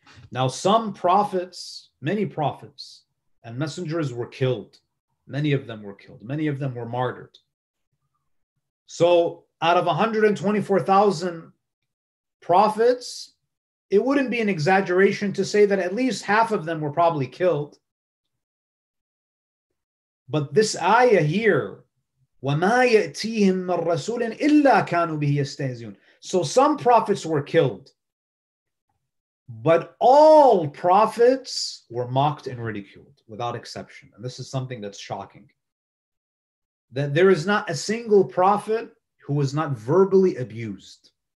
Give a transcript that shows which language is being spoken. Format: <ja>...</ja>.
<en>Now, some prophets, many prophets and messengers were killed. Many of them were killed. Many of them were martyred. So out of 124,000 prophets, it wouldn't be an exaggeration to say that at least half of them were probably killed. But this ayah here,</en> <ar>وَمَا يَأْتِيهِمْ مَا الرَّسُولٍ إِلَّا كَانُوا بِهِ يَسْتَهْزِئُونَ.</ar> <en>So some prophets were killed, but all prophets were mocked and ridiculed without exception. And this is something that's shocking. That there is not a single prophet who was not verbally abused.</en>